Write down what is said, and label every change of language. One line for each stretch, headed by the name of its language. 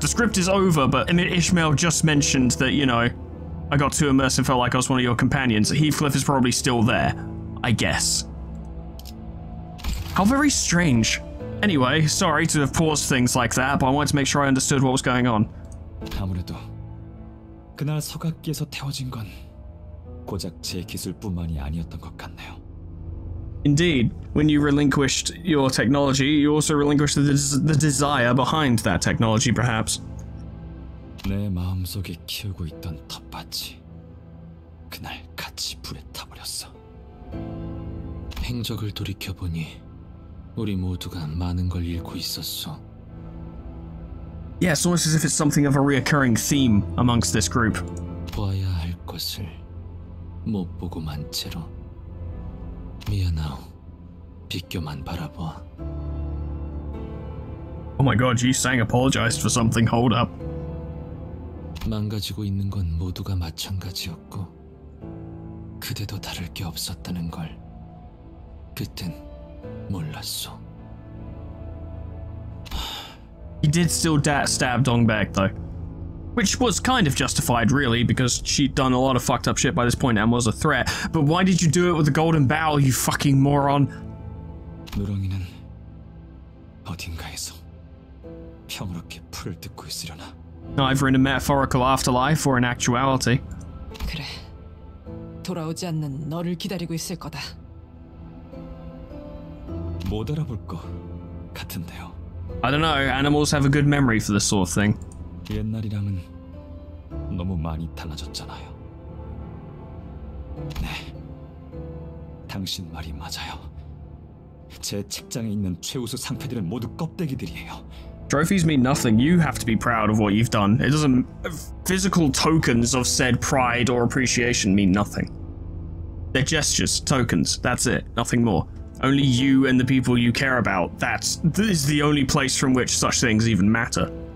English: The script is over, but I mean, Ishmael just mentioned that, you know, I got too immersed and felt like I was one of your companions. Heathcliff is probably still there, I guess. How very strange. Anyway, sorry to have paused things like that, but I wanted to make sure I understood what was going on.
Korean: 아무래도 그날 석학기에서 태워진 건 고작 제 기술뿐만이 아니었던 것 같네요.
English: Indeed, when you relinquished your technology, you also relinquished the desire behind that technology, perhaps.
Korean: 내 마음속에 키우고 있던 텃밭이 그날 같이 불에 타버렸어. 행적을 돌이켜 보니 우리 모두가 많은 걸 잃고 있었어.
English: Yeah, it's almost as if it's something of a reoccurring theme amongst this group.
Korean: 봐야 할 것을 못 보고 만 채로. 미안하오. 비껴만 바라보아.
English: Oh my god, you sang apologized for something, hold up.
Korean: 망가지고 있는 건 모두가 마찬가지였고 그대도 다를 게 없었다는 걸 그땐 몰랐어.
English: He did still stab Dongbaek, though. Which was kind of justified, really, because she'd done a lot of fucked up shit by this point and was a threat. But why did you do it with the golden bow, you fucking moron?
Korean: 누렁이는 어딘가에서 평화롭게 풀을 뜯고 있으려나?
English: Either in a metaphorical afterlife or in actuality.
Korean: 그래. 돌아오지 않는 너를 기다리고 있을 거다. 못 알아볼 거 같은데요.
English: I don't know, animals have a good memory for this sort of thing.
Korean: 옛날이랑은 너무 많이 달라졌잖아요. 네, 당신 말이 맞아요. 제 책장에 있는 최우수 상패들은 모두 껍데기들이에요.
English: Trophies mean nothing. You have to be proud of what you've done. It doesn't... Physical tokens of said pride or appreciation mean nothing. They're gestures, tokens, that's it, nothing more. Only you and the people you care about, that is the only place from which such things even matter.